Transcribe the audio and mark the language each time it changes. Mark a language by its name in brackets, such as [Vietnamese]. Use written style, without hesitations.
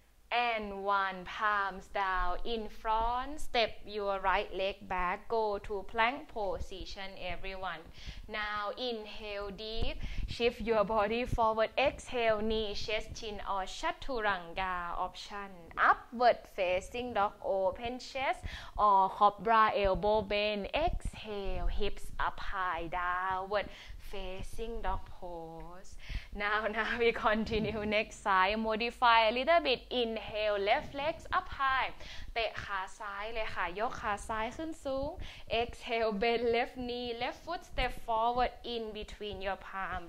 [English] 1 palms down in front step your right leg back go to plank position everyone now inhale deep shift your body forward exhale knee chest chin or chaturanga option upward facing dog open chest or cobra elbow bend exhale hips up high downward facing dog poseNow we continue next side. Modify a little bit. Inhale, left leg up high. [Thai] เตะขาซ้ายเลยค่ะ ยกขาซ้ายขึ้นสูง. [English] Exhale, bend left knee. Left foot step forward in between your palm.